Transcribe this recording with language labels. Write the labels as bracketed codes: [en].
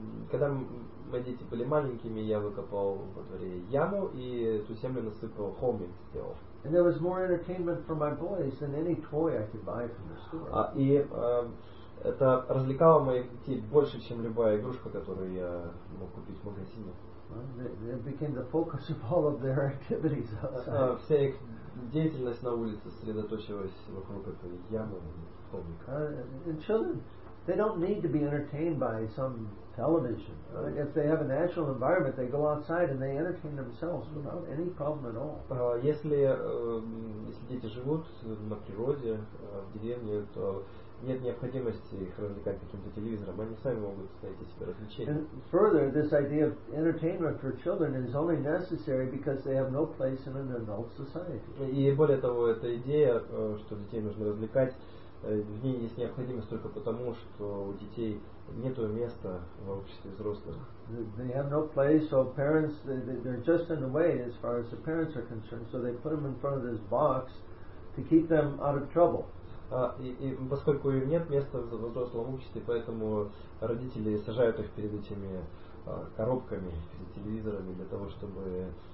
[ru] Когда мои дети были маленькими, я выкопал во дворе яму и эту землю насыпал холмик, сделал. [en] And there was more entertainment for my boys than any toy I could buy from the store. [ru] Это развлекало моих детей больше, чем любая игрушка, которую я мог купить в магазине. [en] It became the focus of all of their activities outside. [ru] Вся их деятельность на улице сосредоточилась вокруг этой ямы и холмика. [en] And children, they don't need to be entertained by some television. Right? If they have a natural environment, they go outside and they entertain themselves without any problem at all. [ru] Если дети живут на природе, в деревне, то нет необходимости их развлекать каким-то телевизором. Они сами могут найти себе развлечения. [en] And further, this idea of entertainment for children is only necessary because they have no place in an adult society. [ru] И более того, эта идея, что детей нужно развлекать, в ней есть необходимость только потому, что у детей нет места в обществе взрослых. [en] They have no place, so parents, they're just in the way as far as the parents are concerned, so they put them in front of this box to keep them out of trouble. [ru] Поскольку им нет места в взрослом обществе, поэтому родители сажают их перед этими коробками, перед телевизорами, для того, чтобы